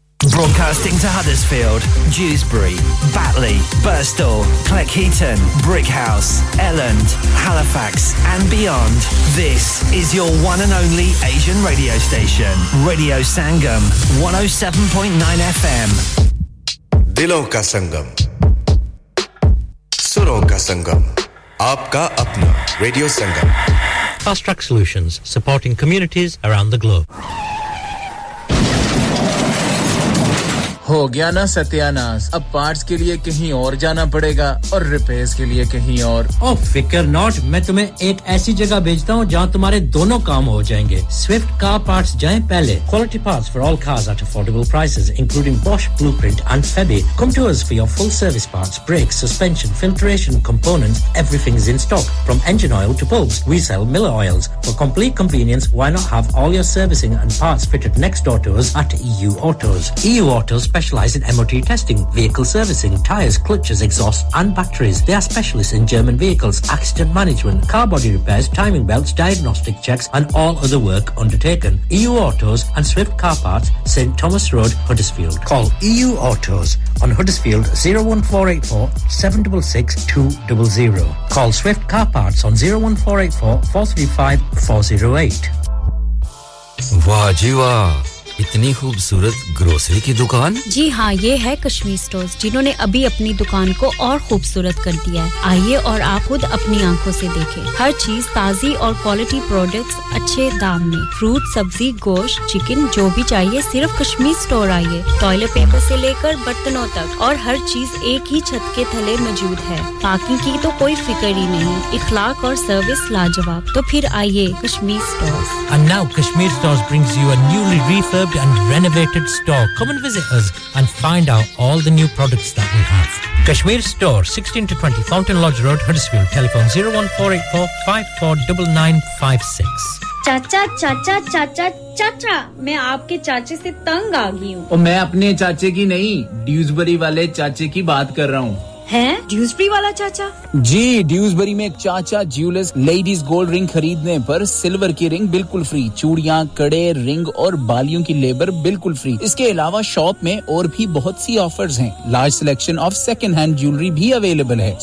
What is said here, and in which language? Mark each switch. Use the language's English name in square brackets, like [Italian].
[English] Broadcasting to Huddersfield, Dewsbury, Batley, Birstall, Cleckheaton, Brickhouse, Elland, Halifax and beyond. This is your one and only Asian radio station. Radio Sangam, 107.9 FM. [Hindi] दिलों का संगम, सुरों का संगम, आपका अपना radio Sangam. [English] Fast Track Solutions, supporting communities around the globe. [Hindi] हो गया ना सत्यानाश, अब पार्ट्स के लिए कहीं और जाना पड़ेगा और रिपेयर्स के लिए कहीं और. ओह फिकर नॉट, मैं तुम्हें एक ऐसी जगह भेजता हूँ जहाँ तुम्हारे दोनों काम हो जाएंगे. स्विफ्ट कार पार्ट्स जाएं पहले. [English] Quality parts for all cars at affordable prices including Bosch Blueprint and Febi. Come to us for your full service parts, brakes, suspension, filtration components, everything is in stock. From engine oil to bulbs, we sell Miller Oils. For complete convenience, why not have all your servicing and parts fitted next door to us at EU Autos. EU Autos specialize in MOT testing, vehicle servicing, tires, clutches, exhausts and batteries. They are specialists in German vehicles, accident management, car body repairs, timing belts, diagnostic checks and all other work undertaken. EU Autos and Swift Car Parts, St. Thomas Road, Huddersfield. Call EU Autos on Huddersfield 01484 766200. Call Swift Car Parts on 01484 435 408. Wow, jiwa. [Hindi] इतनी खूबसूरत grocery की दुकान? जी हाँ, ये है Kashmir stores, जिन्होंने अभी अपनी दुकान को और खूबसूरत कर दिया है. आइए और आप खुद अपनी आंखों से देखें. हर चीज ताजी और क्वालिटी प्रोडक्ट्स अच्छे दाम में. फ्रूट, सब्जी, गोश्त, चिकन, जो भी चाहिए सिर्फ कश्मीर स्टोर आइए. टॉयलेट पेपर से लेकर बर्तनों तक और हर चीज एक ही छत के तले मौजूद है. पार्किंग की तो कोई फिक्र ही नहीं. इखलाक और सर्विस लाजवाब. तो फिर आइए Kashmir stores. [English] And now Kashmir Stores brings you a newly refurbed and renovated store. Come and visit us and find out all the new products that we have. Kashmir Store, 16 to 20 Fountain Lodge Road, Huddersfield. Telephone 01484 549956. [Hindi] चाचा चाचा चाचा चाचा, मैं आपके चाचे से तंग आ गई हूँ. और मैं अपने चाचे की नहीं, ड्यूजबरी वाले चाचे की बात कर रहा हूँ. हैं? ड्यूजबरी वाला चाचा? जी, ड्यूजबरी में एक चाचा ज्यूलर्स लेडीज गोल्ड रिंग खरीदने पर सिल्वर की रिंग बिल्कुल फ्री, चूड़ियां, कड़े, रिंग और बालियों की लेबर बिल्कुल फ्री. इसके अलावा शॉप में और भी बहुत सी ऑफर्स हैं. [English] large selection of second hand jewellery [Hindi] भी अवेलेबल है.